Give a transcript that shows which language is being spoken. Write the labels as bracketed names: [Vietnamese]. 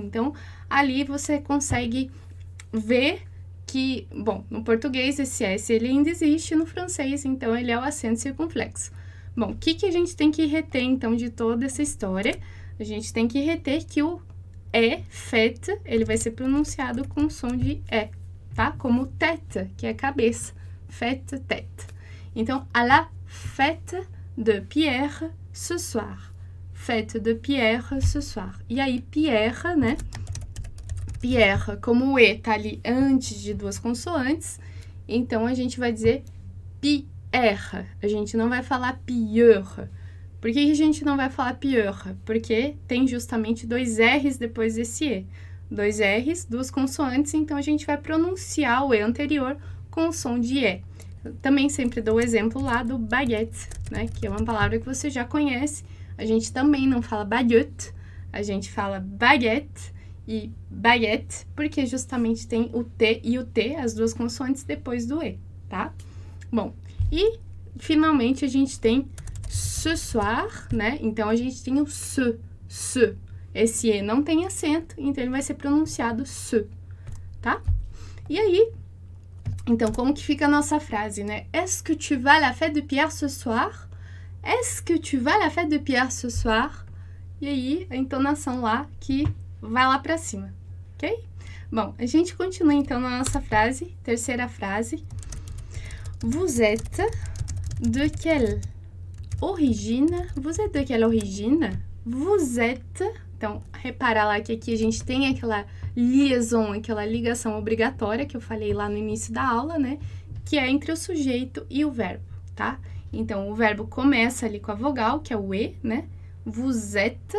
[Portuguese] Então ali você consegue ver que, bom, no português esse S ele ainda existe, no francês, então ele é o acento circunflexo. Bom, o que que a gente tem que reter então de toda essa história? A gente tem que reter que o é fête, ele vai ser pronunciado com som de é, tá? Como tête, que é cabeça. Fête, tête. [French] Então, à la fête de Pierre ce soir. Fête de Pierre ce soir. [Portuguese] E aí, [French] Pierre, né? [Portuguese] Pierre, como o e tá ali antes de duas consoantes, então a gente vai dizer pi. Erra, a gente não vai falar pior. Por que a gente não vai falar pior? Porque tem justamente dois R's depois desse E. Dois R's, duas consoantes, então a gente vai pronunciar o E anterior com o som de E. Também sempre dou o exemplo lá do baguette, né? Que é uma palavra que você já conhece. A gente também não fala baguette, a gente fala baguette e baguette, porque justamente tem o T e o T, as duas consoantes depois do E, tá? Bom. E finalmente a gente tem ce soir, né? Então a gente tem o ce, ce. Esse E não tem acento, então ele vai ser pronunciado ce, tá? E aí, então como que fica a nossa frase, né? [French] Est-ce que tu vas à la fête de Pierre ce soir? Est-ce que tu vas à la fête de Pierre ce soir? [Portuguese] E aí, a entonação lá que vai lá pra cima, ok? Bom, a gente continua então na nossa frase, terceira frase. [French] Vous êtes de quelle origine? Vous êtes de quelle origine? Vous êtes. [Portuguese] Então, repara lá que aqui a gente tem aquela liaison, aquela ligação obrigatória que eu falei lá no início da aula, né? Que é entre o sujeito e o verbo, tá? Então, o verbo começa ali com a vogal, que é o E, né? Vous êtes.